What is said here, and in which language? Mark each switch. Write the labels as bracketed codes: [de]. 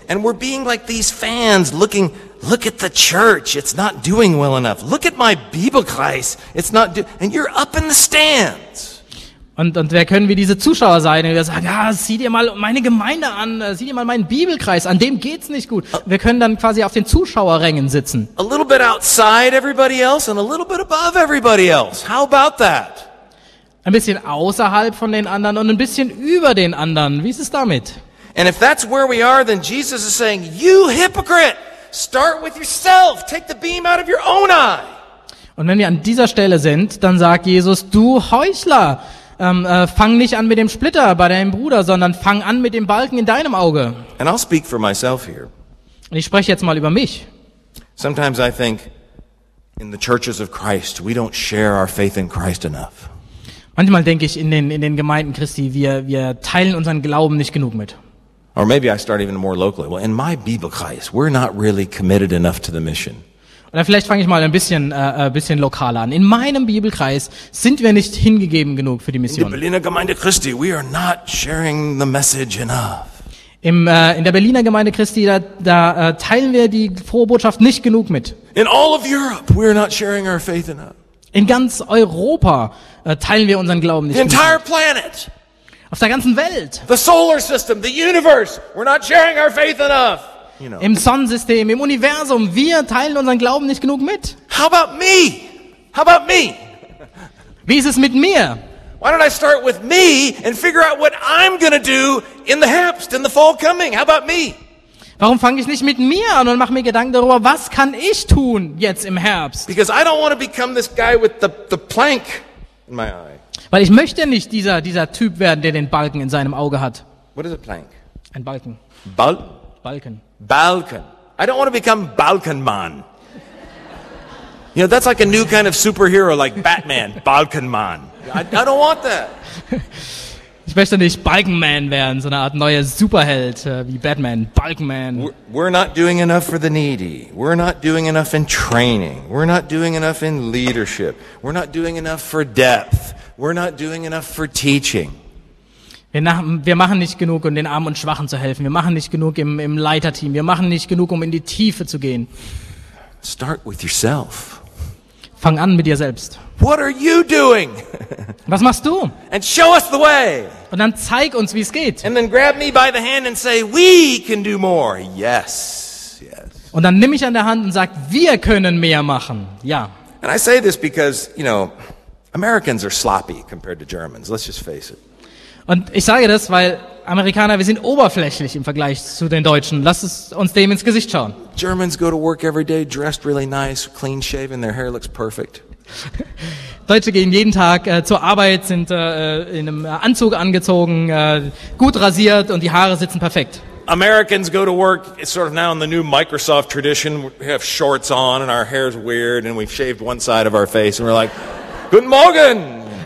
[en] And we're being like these fans looking, look at the church, it's not doing well enough. Look at my Bibelkreis, it's not and you're up in the stands. [de] Und wer können wir diese Zuschauer sein, die sagen, ah, sieh dir mal meine Gemeinde an, sieh dir mal meinen Bibelkreis, an dem geht's nicht gut. Wir können dann quasi auf den Zuschauerrängen sitzen. [en] A little bit outside everybody else and a little bit above everybody else. How about that? [de] Ein bisschen außerhalb von den anderen und ein bisschen über den anderen. Wie ist es damit? [en] And if that's where we are, then Jesus is saying, "You hypocrite, start with yourself. Take the beam out of your own eye." [de] Und wenn wir an dieser Stelle sind, dann sagt Jesus, du Heuchler, fang nicht an mit dem Splitter bei deinem Bruder, sondern fang an mit dem Balken in deinem Auge. [en] And I'll speak for myself here. [de] Und ich spreche jetzt mal über mich. [en] Sometimes I think in the churches of Christ, we don't share our faith in Christ enough. [de] Manchmal denke ich in den Gemeinden Christi, wir teilen unseren Glauben nicht genug mit. [en] Or maybe I start even more locally. Well, in my Bibelkreis, we're not really committed enough to the mission. [de] Oder vielleicht fange ich mal ein bisschen lokaler an. In meinem Bibelkreis sind wir nicht hingegeben genug für die Mission. In der Berliner Gemeinde Christi, [en] we are not sharing the message enough. [de] In der Berliner Gemeinde Christi, da teilen wir die frohe Botschaft nicht genug mit. [en] In all of Europe, we are not sharing our faith enough. [de] In ganz Europa teilen wir unseren Glauben nicht. [en] The entire planet. [de] Auf der ganzen Welt. [en] The solar system, the universe. We're not sharing our faith enough. You know. [de] Im Sonnensystem, im Universum, wir teilen unseren Glauben nicht genug mit. [en] How about me? How about me? [de] Wie ist es mit mir? [en] Why don't I start with me and figure out what I'm gonna do in the Herbst, in the fall coming? How about me? [de] Warum fange ich nicht mit mir an und mache mir Gedanken darüber, was kann ich tun jetzt im Herbst? [en] Because I don't want to become this guy with the plank in my eye. [de] Weil ich möchte nicht dieser Typ werden, der den Balken in seinem Auge hat. [en] What is a plank? [de] Ein Balken. [en] Balken. Balken. I don't want to become Balken Man. You know, that's like a new kind of superhero like Batman, Balken Man. I don't want that. [de] Ich möchte nicht Balkenman werden, so eine Art neuer Superheld wie Batman, Balkenman. [en] We're not doing enough for the needy. We're not doing enough in training. We're not doing enough in leadership. We're not doing enough for depth. We're not doing enough for teaching. [de] Wir machen nicht genug, um den Armen und Schwachen zu helfen. Wir machen nicht genug im Leiterteam. Wir machen nicht genug, um in die Tiefe zu gehen. [en] Start with yourself. [de] Fang an mit dir selbst. [en] What are you doing? [de] Was machst du? [en] And show us the way. [de] Und dann zeig uns, wie es geht. [en] And then grab me by the hand and say, "We can do more." Yes, yes. [de] Und dann nimm mich an der Hand und sag, wir können mehr machen. Ja. [en] And I say this because, you know, Americans are sloppy compared to Germans. Let's just face it. [de] Und ich sage das, weil Amerikaner, wir sind oberflächlich im Vergleich zu den Deutschen. Lass es uns dem ins Gesicht schauen. [en] Germans go to work every day dressed really nice, clean shaven, their hair looks perfect. [de] Deutsche gehen jeden Tag zur Arbeit, sind in einem Anzug angezogen, gut rasiert und die Haare sitzen perfekt. [en] Americans go to work, it's sort of now in the new Microsoft tradition, we have shorts on and our hair's weird and we've shaved one side of our face and we're like, [de] Guten Morgen!